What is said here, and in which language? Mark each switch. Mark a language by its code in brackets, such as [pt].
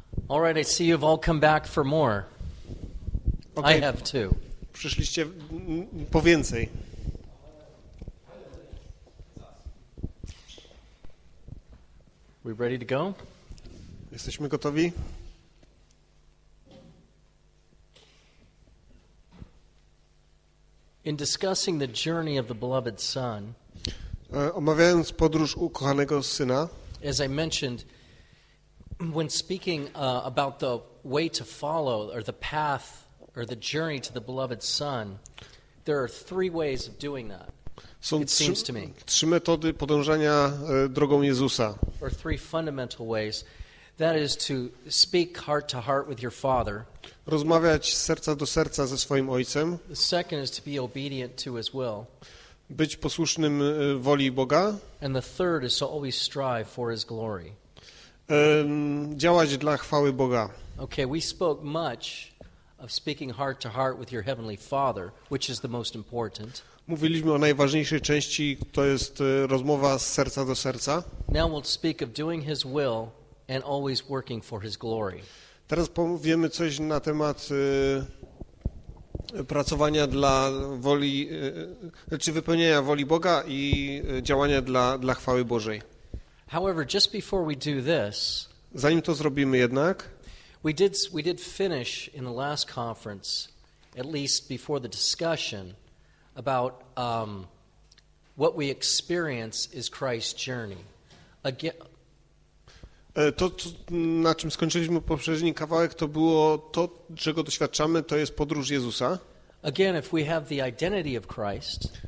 [en] All right, I see you've all come back for more. Okay. I have too. [pl] Przyszliście po więcej. [en] We ready to go? [pl] Jesteśmy gotowi? [en] In discussing the journey of the beloved son, [pl] omawiając podróż ukochanego syna, [en] as I mentioned, when speaking about the way to follow or the path or the journey to the beloved son, there are three ways of doing that. [pl] Są trzy metody podążania drogą Jezusa. [en] Or three fundamental ways. That is to speak heart to heart with your father. [pl] Rozmawiać serca do serca ze swoim ojcem. [en] The second is to be obedient to his will. [pl] Być posłusznym woli Boga. [en] And the third is to always strive for his glory. [pl] Działać dla chwały Boga. [en] Okay, we spoke much of speaking heart to heart with your heavenly father, which is the most important. [pl] Mówiliśmy o najważniejszej części, to jest rozmowa z serca do serca. [en] Now we'll speak of doing his will and always working for his glory. [pl] Teraz powiemy coś na temat pracowania dla woli, czy wypełnienia woli Boga i działania dla chwały Bożej. [en] However, just before we do this, [pl] zanim to zrobimy jednak, [en] we did finish in the last conference, at least before the discussion, about what we experience is Christ's journey. [pl] To, na czym skończyliśmy poprzedni kawałek, to było to, czego doświadczamy, to jest podróż Jezusa. [en] Again, if we have the identity of Christ,